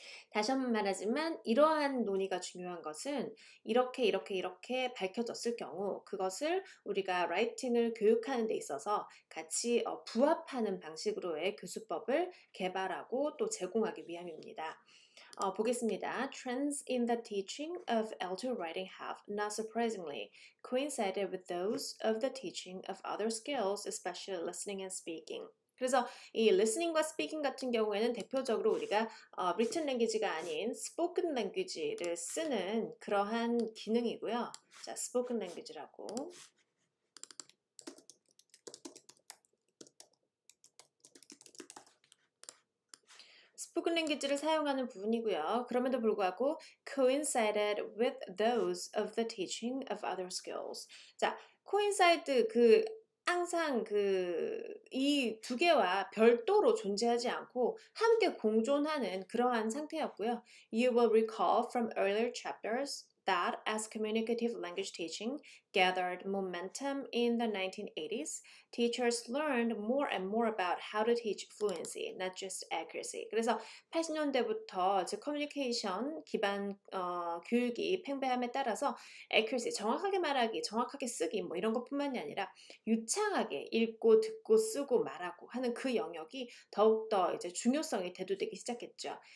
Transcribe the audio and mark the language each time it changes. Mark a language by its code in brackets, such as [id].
[ko] 다시 한번 말하지만 이러한 논의가 중요한 것은 이렇게 밝혀졌을 경우 그것을 우리가 라이팅을 교육하는 데 있어서 같이 부합하는 방식으로의 교수법을 개발하고 또 제공하기 위함입니다. 보겠습니다. [en] Trends in the teaching of L2 writing have, not surprisingly, coincided with those of the teaching of other skills, especially listening and speaking. [ko] 그래서 이 listening과 speaking 같은 경우에는 대표적으로 우리가 written language가 아닌 spoken language를 쓰는 그러한 기능이고요. 자, spoken language라고. 스포큰 랭귀지를 사용하는 부분이고요. 그럼에도 불구하고 [en] coincided with those of the teaching of other skills. [ko] 자, coincide 그 항상 그이두 개와 별도로 존재하지 않고 함께 공존하는 그러한 상태였고요. [en] You will recall from earlier chapters that as communicative language teaching gathered momentum in the 1980s, teachers learned more and more about how to teach fluency, not just accuracy. [ko] 그래서 80년대부터 즉 커뮤니케이션 기반 교육이 팽배함에 따라서 accuracy, 정확하게 말하기, 정확하게 쓰기 뭐 이런 것뿐만이 아니라 유창하게 읽고 듣고 쓰고 말하고 하는 그 영역이 더욱더 이제 중요성이 대두되기 시작했죠.